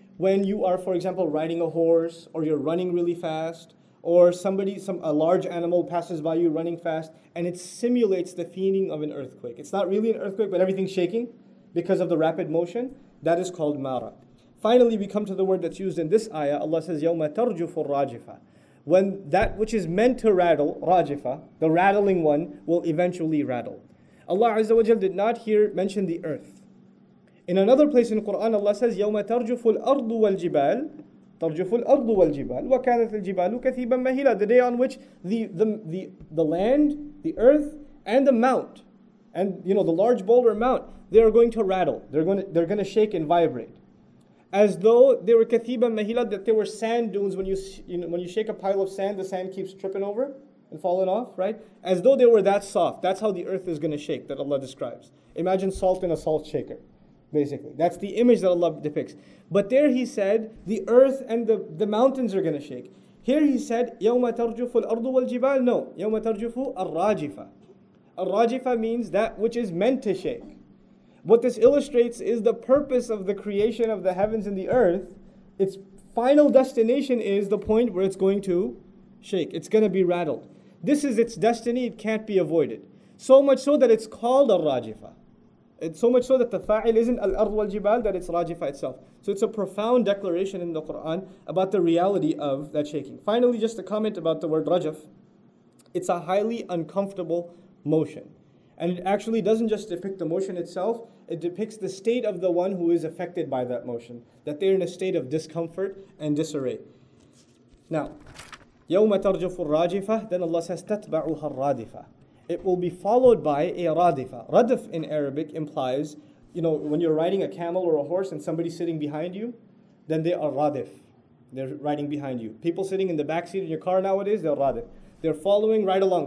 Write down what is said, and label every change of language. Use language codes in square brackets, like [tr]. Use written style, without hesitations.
[en] when you are, for example, riding a horse, or you're running really fast, or a large animal passes by you running fast, and it simulates the feeling of an earthquake. It's not really an earthquake, but everything's shaking because of the rapid motion. That is called mara. Finally, we come to the word that's used in this ayah. Allah says, [ar] يَوْمَ تَرْجُفُ الرَّاجِفَةَ. [en] When that which is meant to rattle, rajifa, the rattling one, will eventually rattle. Allah Azza wa Jal did not here mention the earth. In another place in the Quran, Allah says, [ar] يَوْمَ تَرْجُفُ الْأَرْضُ وَالْجِبَالُ. تَرْجُفُ الْأَرْضُ وَالْجِبَالُ وَكَانَتِ الْجِبَالُ كَثِيبًا مَهِيلًا. [en] The day on which the land, the earth, and the mount, and you know the large boulder mount, they are going to rattle. They're going to shake and vibrate. As though they were kathiba mahila, that they were sand dunes. When you shake a pile of sand, the sand keeps tripping over and falling off, right? As though they were that soft. That's how the earth is going to shake, that Allah describes. Imagine salt in a salt shaker, basically. That's the image that Allah depicts. But there he said, the earth and the mountains are going to shake. Here he said, [ar] يَوْمَ تَرْجُفُ الْأَرْضُ وَالْجِبَالُ. No, يَوْمَ تَرْجُفُ الْرَاجِفَ. [en] الْرَاجِفَ means that which is meant to shake. What this illustrates is the purpose of the creation of the heavens and the earth. Its final destination is the point where it's going to shake. It's going to be rattled. This is its destiny. It can't be avoided. So much so that it's called al-rajifa. It's so much so that the fa'il isn't al-ard wal-jibal, that it's rajifa itself. So it's a profound declaration in the Quran about the reality of that shaking. Finally, just a comment about the word rajif. It's a highly uncomfortable motion. And it actually doesn't just depict the motion itself, it depicts the state of the one who is affected by that motion, that they're in a state of discomfort and disarray. Now, [ar] يَوْمَ تَرْجُفُ الرَّاجِفَةَ. [en] Then Allah says, [ar] تَتْبَعُهَا الرَّادِفَةَ. [en] It will be followed by a radifa. Radif in Arabic implies, you know, when you're riding a camel or a horse and somebody's sitting behind you, then they are radif. They're riding behind you. People sitting in the back seat in your car nowadays, they're radif. They're following right along.